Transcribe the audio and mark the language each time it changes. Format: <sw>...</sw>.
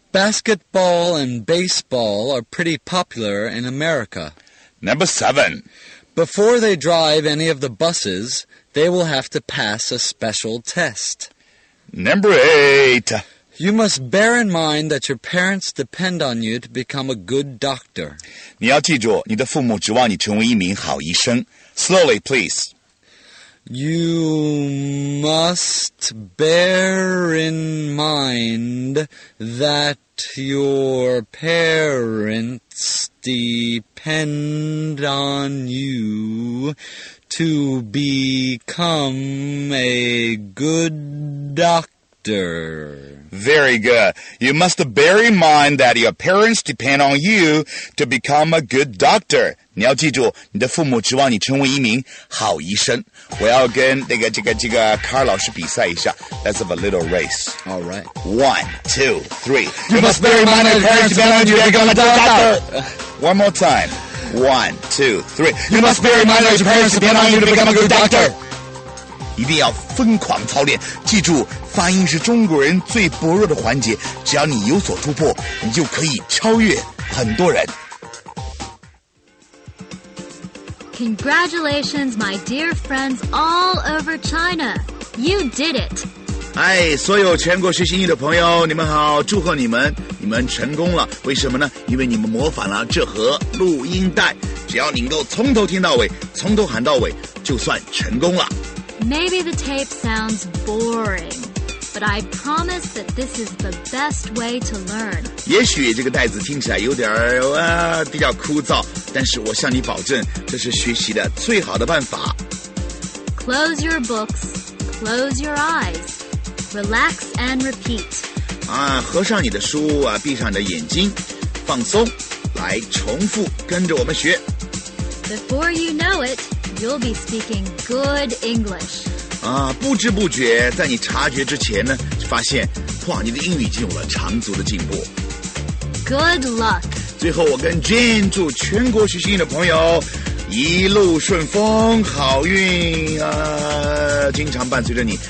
<en>Basketball and baseball are pretty popular in America. Number 7. Before they drive any of the buses, they will have to pass a special test. Number 8. You must bear in mind that your parents depend on you to become a good doctor.</en> <zh>你要记住,你的父母指望你成为一名好医生。</zh> <en>Slowly, please. You must bear in mind that your parents depend on you to become a good doctor. Very good. You must bear in mind that your parents depend on you to become a good doctor.</en> <zh>你要记住，你的父母指望你成为一名好医生。我要跟那个这个卡尔老师比赛一下。</zh> <en>Let's have a little race. All right. One, two, three. You must bear in mind that your parents depend on you to become a doctor. One more time. One, two, three. You must bear in mind that your parents depend on you to become a good doctor.</en> <zh>一定要疯狂操练。记住，发音是中国人最薄弱的环节。只要你有所突破，你就可以超越很多人。</zh> <en>Congratulations, my dear friends all over China. You did it.</en> <zh>Hi, 所有全国学习英语的朋友，你们好，祝贺你们，你们成功了。为什么呢？因为你们模仿了这盒录音带。只要你能够从头听到尾，从头喊到尾，就算成功了。</zh> <en>Maybe the tape sounds boring, but I promise that this is the best way to learn.</en> <zh>也许这个袋子听起来有点儿比较枯燥。但是我向你保证，这是学习的最好的办法。</zh> <en>Close your books, close your eyes, relax and repeat.</en> <zh>啊，合上你的书啊，闭上你的眼睛，放松，来重复，跟着我们学。</zh> <en>Before you know it, you'll be speaking good English.</en> <zh>啊，不知不觉，在你察觉之前呢，就发现，哇，你的英语已经有了长足的进步。</zh> <en>Good luck.</en> <zh>最后，我跟 Jane 祝全国学习英语的朋友一路顺风，好运啊！经常伴随着你。</zh>